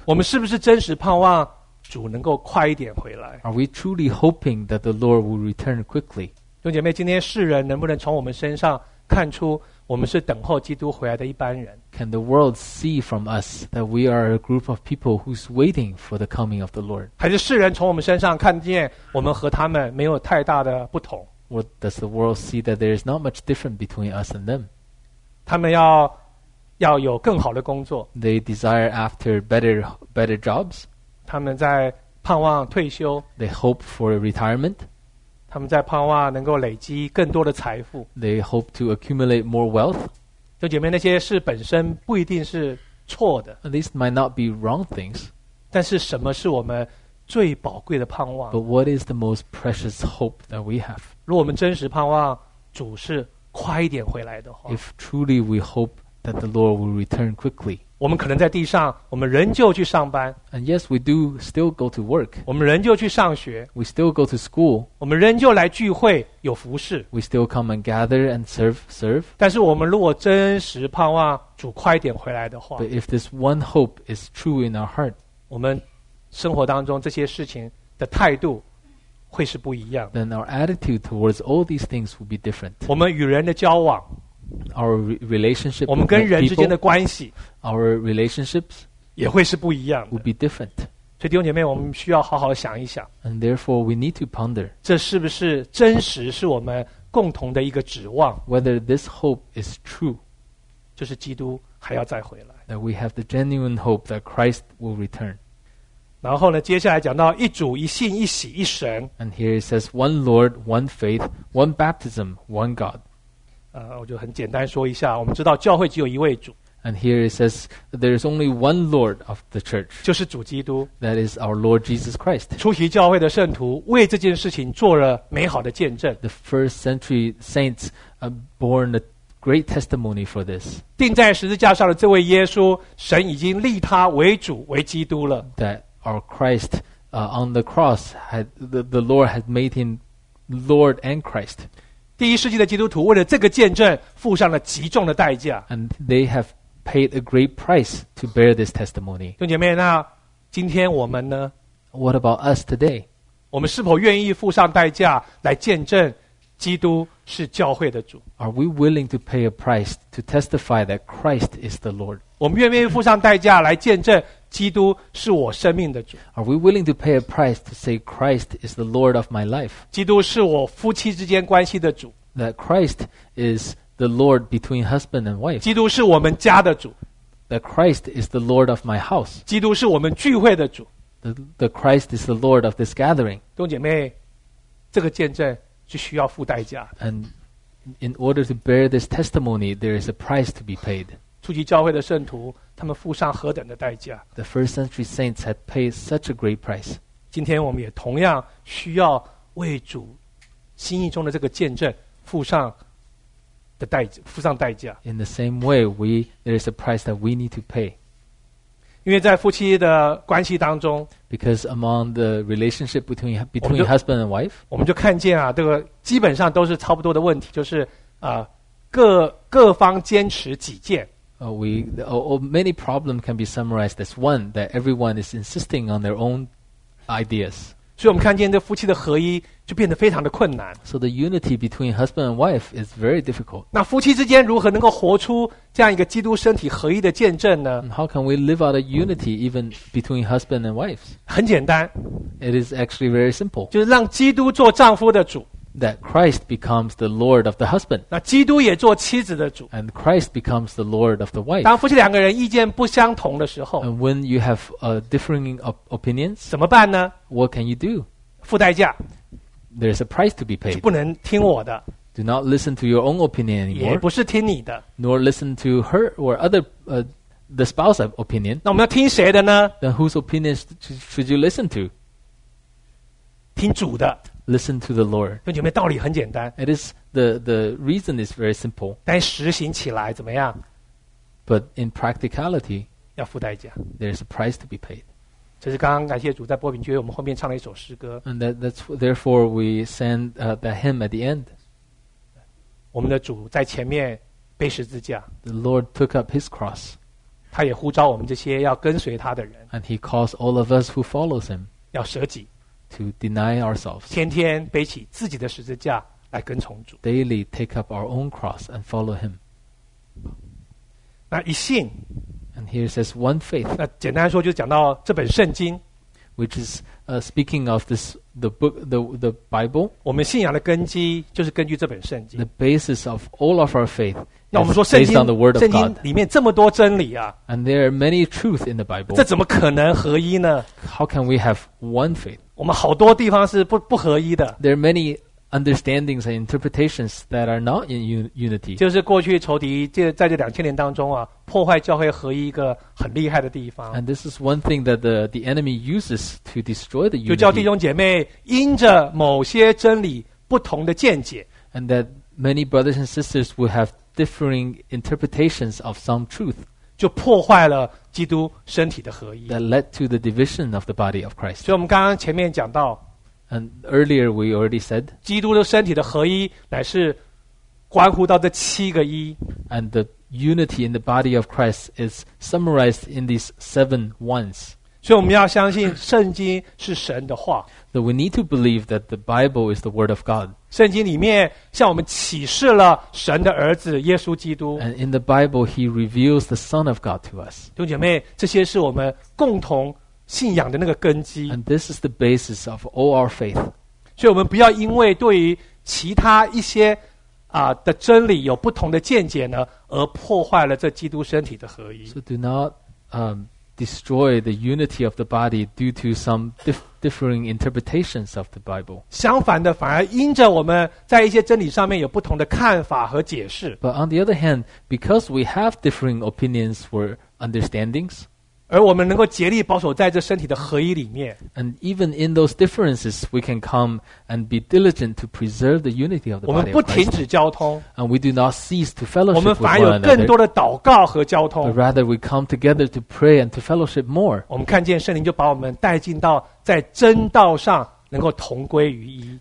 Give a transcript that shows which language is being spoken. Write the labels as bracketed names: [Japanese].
[Chinese] 我们是不是真实盼望主能够快一点回来？ [English] Are we truly hoping that the Lord will return quickly? [Chinese] 弟兄姐妹，今天世人能不能从我们身上看出我们是等候基督回来的一般人？ [English] Can the world see from us that we are a group of people who's waiting for the coming of the Lord? [Chinese] 还是世人从我们身上看见我们和他们没有太大的不同？ [English] Or does the world see that there is not much different between us and them? [Chinese] 他们要有更好的工作。 [English] They desire after better jobs. [Chinese] 他们在盼望退休。 [English] They hope for retirement. [Chinese] 他们在盼望能够累积更多的财富。 [English] They hope to accumulate more wealth. [Chinese] 就姐妹，那些事本身不一定是错的。 [English] And these might not be wrong things. [Chinese] 但是什么是我们最宝贵的盼望？ [English] But what is the most precious hope that we have? [Chinese] 如果我们真实盼望主是快一点回来的话， [English] If truly we hope that the Lord will return quickly, [Chinese] 我们可能在地上，我们仍旧去上班。 [English] And yes, we do still go to work. [Chinese] 我们仍旧去上学。 [English] We still go to school. [Chinese] 我们仍旧来聚会，有服事。 [English] We still come and gather and serve. [Chinese] 但是我们如果真实盼望主快点回来的话， [English] But if this one hope is true in our heart, [Chinese] 我们生活当中这些事情的态度会是不一样。 [English] Then our attitude towards all these things will be different. [Chinese] 我们与人的交往， [English] Our relationship, [Chinese] 我们跟人之间的关系， [English] our relationships, [Chinese] 也会是不一样的， [English] will be different. [Chinese] 所以弟兄姐妹，我们需要好好想一想， [English] and therefore we need to ponder, [Chinese] 这是不是真实是我们共同的一个指望？ [English] Whether this hope is true, [Chinese] 就是基督还要再回来， [English] that we have the genuine hope that Christ will return. [Chinese] 然后呢，接下来讲到一主、一信、一喜、一神， [English] and here it says one Lord, one faith, one baptism, one God. [Chinese] 我就很简单说一下，我们知道教会只有一位主。 [English] And here it says there is only one Lord of the church. [Chinese] 就是主基督。 [English] That is our Lord Jesus Christ. [Chinese] 出席教会的圣徒为这件事情做了美好的见证。 [English] The first century saints bore a great testimony for this. [Chinese] 钉在十字架上的这位耶稣，神已经立他为主为基督了。 [English] That our Christ on the cross had the Lord had made him Lord and Christ. [Chinese] 第一世纪的基督徒为了这个见证付上了极重的代价。 [English] And they have paid a great price to bear this testimony. [Chinese] 弟兄姐妹，那今天我们呢？ [English] What about us today? [Chinese] 我们是否愿意付上代价来见证基督是教会的主？ [English] Are we willing to pay a price to testify that Christ is the Lord? [Chinese] 我们愿不愿意付上代价来见证基督是我生命的主？ [English] Are we willing to pay a price to say Christ is the Lord of my life? [Chinese] 基督是我夫妻之间关系的主。 [English] That Christ is the Lord between husband and wife. [Chinese] 基督是我们家的主。 [English] That Christ is the Lord of my house. [Chinese] 基督是我们聚会的主。 [English] The Christ is the Lord of this gathering. [Chinese] 弟兄姐妹，这个见证就需要付代价。 [English] And in order to bear this testimony, there is a price to be paid. [Chinese] 初期教会的圣徒，他们付上何等的代价 [English] ？The first century saints had paid such a great price. [Chinese] 今天我们也同样需要为主心意中的这个见证付上的代价，付上代价。 [English] In the same way, there is a price that we need to pay. [Chinese] 因为在夫妻的关系当中 [English] ，because among the relationship between husband and wife, [Chinese] 我们就看见啊，这个基本上都是差不多的问题，就是各方坚持己见。 [English] Many problems can be summarized as one, that everyone is insisting on their own ideas. [Chinese] 所以我们看见这夫妻的合一就变得非常的困难。 [English] So the unity between husband and wife is very difficult. [Chinese] 那夫妻之间如何能够活出这样一个基督身体合一的见证呢？ [English] How can we live out a unity even between husband and wife? [Chinese] 很简单。 [English] It is actually very simple. [Chinese] 就是让基督做丈夫的主。 [English] That Christ becomes the Lord of the husband. [Chinese] 那基督也做妻子的主。 [English] And Christ becomes the Lord of the wife. [Chinese] 当夫妻两个人意见不相同的时候。 [English] And when you have a differing opinions. [Chinese] 怎么办呢？ [English] What can you do? [Chinese] 付代价。 [English] There is a price to be paid. [Chinese] 不能听我的。 [English] Do not listen to your own opinion anymore. [Chinese] 也不是听你的。 [English] Nor listen to her or other, the spouse's opinion. [Chinese] 那我们要听谁的呢？ [English] Then whose opinion should you listen to? [Chinese] 听主的。 [English] Listen to the Lord. [Chinese] 弟兄姐妹，道理很简单。 [English] It is the reason is very simple. [Chinese] 但实行起来怎么样？ [English] But in practicality, [Chinese] 要付代价。 [English] There is a price to be paid. [Chinese] 这是刚刚感谢主在波饼聚会我们后面唱了一首诗歌。 [English] And that's therefore we send the hymn at the end. [Chinese] 我们的主在前面背十字架。 [English] The Lord took up His cross. [Chinese] 他也呼召我们这些要跟随他的人。 [English] And He calls all of us who follows Him. [Chinese] 要舍己。 [English] To deny ourselves. [Chinese] 天天背起自己的十字架来跟从主。 [English] Daily take up our own cross and follow him. [Chinese] 那一信。 [English] And here it says one faith. [Chinese] 那简单说就讲到这本圣经。 [English] Which is speaking of this, the book, the Bible. [Chinese] 我们信仰的根基就是根据这本圣经。 [English] The basis of all of our faith. [Chinese] 那我们说圣经 [English] based on the word of God. [Chinese] 圣经里面这么多真理啊。 [English] And there are many truths in the Bible. [Chinese] 这怎么可能合一呢？ [English] How can we have one faith? [Chinese] 我们好多地方是 不合一的。 [English] There are many understandings and interpretations that are not in unity. [Chinese] 就是过去仇敌在这两千年当中啊，破坏教会合一一个很厉害的地方。 [English] And this is one thing that the enemy uses to destroy the unity. [Chinese] 就叫弟兄姐妹因着某些真理不同的见解。 [English] And that many brothers and sisters will have differing interpretations of some truth. [Chinese] 就破坏了。基督身体的合一。 [English] That led to the division of the body of Christ. [Chinese] 所以我们刚刚前面讲到。 [English] And earlier we already said. [Chinese] 基督的身体的合一乃是关乎到这七个一。 [English] And the unity in the body of Christ is summarized in these seven ones. [Chinese] 所以我们要相信圣经是神的话。 [English] So we need to believe that the Bible is the word of God. [Chinese] 圣经里面向我们启示了神的儿子耶稣基督。 [English] And in the Bible, he reveals the Son of God to us. [Chinese] 弟兄姐妹，这些是我们共同信仰的那个根基。 [English] And this is the basis of all our faith. [Chinese] 所以我们不要因为对于其他一些的真理有不同的见解呢，而破坏了这基督身体的合一。 [English] So do not, destroy the unity of the body due to some differing interpretations of the Bible. [Chinese] 相反的，反而因着我们在一些真理上面有不同的看法和解释。 [English] But on the other hand, because we have differing opinions or understandings, [Chinese] 而我们能够竭力保守在这身体的合一里面。 [English] And even in those differences, we can come and be diligent to preserve the unity of the body. [Chinese] 我们不停止交通。 [English] And we do not cease to fellowship. [Chinese] 我们反而有更多的祷告和交通。 [English] But rather, we come together to pray and to fellowship more. [Chinese] 我们看见圣灵就把我们带进到在真道上能够同归于一。